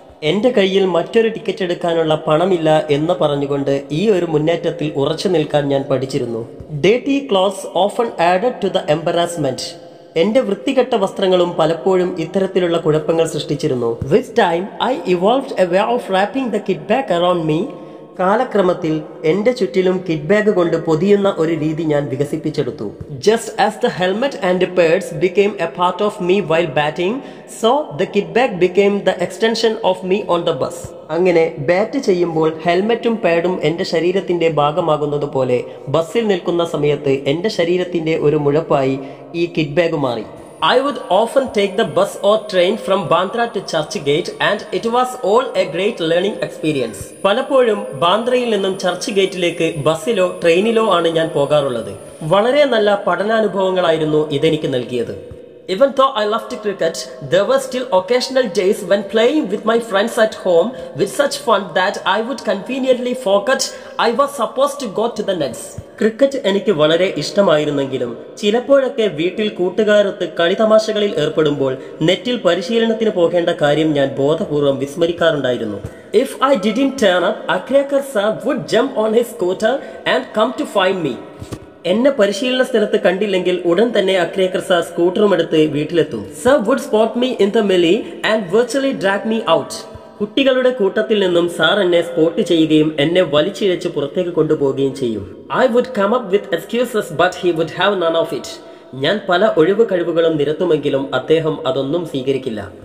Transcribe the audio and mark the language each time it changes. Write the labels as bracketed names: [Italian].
[Malayalam] എന്റെ കയ്യിൽ മറ്റൊരു ടിക്കറ്റ് എടുക്കാനുള്ള പണമില്ല എന്ന് പറഞ്ഞുകൊണ്ട് ഈ ഒരു മുന്നേറ്റത്തിൽ ഉറച്ചു നിൽക്കാൻ ഞാൻ പഠിച്ചിരുന്നു. [English] Dirty clothes often added to the embarrassment. [Malayalam] എന്റെ വൃത്തികെട്ട വസ്ത്രങ്ങളും പലപ്പോഴും ഇത്തരത്തിലുള്ള കുഴപ്പങ്ങൾ സൃഷ്ടിച്ചിരുന്നു. [English] With time I evolved a way of wrapping the kit bag around me. [Malayalam] കാലക്രമത്തിൽ എന്റെ ചുറ്റിലും കിഡ് ബാഗ് കൊണ്ട് പൊതിയുന്ന ഒരു രീതി ഞാൻ വികസിപ്പിച്ചെടുത്തു. [English] Just as the helmet and pads became a part of me while batting so the kit bag became the extension of me on the bus. [Malayalam] അങ്ങനെ bat ചെയ്യുമ്പോൾ ഹെൽമെറ്റും പാഡും എന്റെ ശരീരത്തിന്റെ ഭാഗമാകുന്നത് പോലെ ബസ്സിൽ നിൽക്കുന്ന സമയത്ത് എന്റെ ശരീരത്തിന്റെ ഒരു മുഴപ്പായി ഈ കിഡ് ബാഗ് മാറി. [English] I would often take the bus or train from Bandra to Churchgate and it was all a great learning experience. [Malayalam] പലപ്പോഴും ബാന്ദ്രയിൽ നിന്നും ചർച്ച് ഗേറ്റിലേക്ക് ബസ്സിലോ ട്രെയിനിലോ ആണ് ഞാൻ പോകാറുള്ളത്. വളരെ നല്ല പഠനാനുഭവങ്ങളായിരുന്നു ഇതെനിക്ക് നൽകിയത്. [English] Even though I loved cricket, there were still occasional days when playing with my friends at home with such fun that I would conveniently forget I was supposed to go to the nets. [Malayalam] Cricket എനിക്ക് വളരെ ഇഷ്ടമായിരുന്നെങ്കിലും ചിലപ്പോഴൊക്കെ വീട്ടിൽ കൂട്ടുകാരൊത്ത് കളിതമാശകളിൽ ഏർപ്പെടുമ്പോൾ നെറ്റിൽ പരിശീലനത്തിന് പോകേണ്ട കാര്യം ഞാൻ ബോധപൂർവ്വം വിസ്മരിക്കാറുണ്ടായിരുന്നു. [English] If I didn't turn up, Akrekar sir would jump on his scooter and come to find me. [Malayalam] എന്നെ പരിശീലന സ്ഥലത്ത് കണ്ടില്ലെങ്കിൽ ഉടൻ തന്നെ അക്രേക്കർ സാർ സ്കൂട്ടറുമെടുത്ത് വീട്ടിലെത്തും. [English] Sir would spot me in the melee and virtually drag me out. [Malayalam] കുട്ടികളുടെ കൂട്ടത്തിൽ നിന്നും സാർ എന്നെ സ്പോട്ട് ചെയ്യുകയും എന്നെ വലിച്ചിഴച്ച് പുറത്തേക്ക് കൊണ്ടുപോവുകയും ചെയ്യും. [English] I would come up with excuses but he would have none of it. [Malayalam] ഞാൻ പല ഒഴിവ് കഴിവുകളും നിരത്തുമെങ്കിലും അദ്ദേഹം അതൊന്നും സ്വീകരിക്കില്ല.